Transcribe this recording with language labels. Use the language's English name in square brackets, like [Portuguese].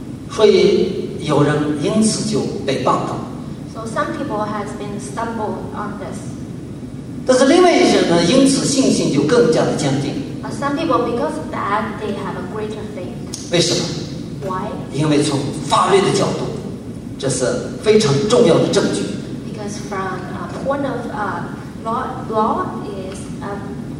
[Chinese] 所以有人因此就被绊倒。 [English] So some people has been stumbled on this. [Chinese] 但是另外一些人因此信心就更加的坚定。 [English] Some people because of that they have a greater faith. [Chinese] 为什么 [English] ？Why? [Chinese] 因为从法律的角度，这是非常重要的证据。 [English] Because from a point of law is a.